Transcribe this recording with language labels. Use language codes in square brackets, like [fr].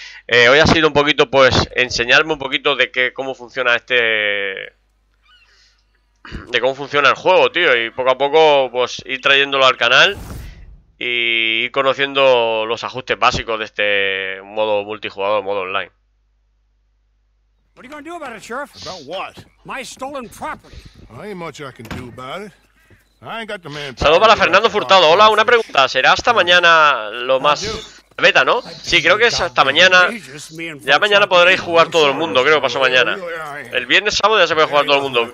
[es] Hoy ha sido un poquito, pues, enseñarme un poquito de que, cómo funciona este... De cómo funciona el juego, tío. Y poco a poco, pues, ir trayéndolo al canal y ir conociendo los ajustes básicos de este modo multijugador, modo online. [en] What are you gonna do about it, Sheriff? About what? My stolen property. Well, ain't much I can do about it. I ain't got the man. [es] Saludos para Fernando Furtado. Hola, una pregunta. ¿Será hasta mañana lo más beta, ¿no? Sí, creo que es hasta mañana. Ya mañana podréis jugar todo el mundo, creo, pasó mañana. El viernes, sábado ya se puede jugar todo el mundo.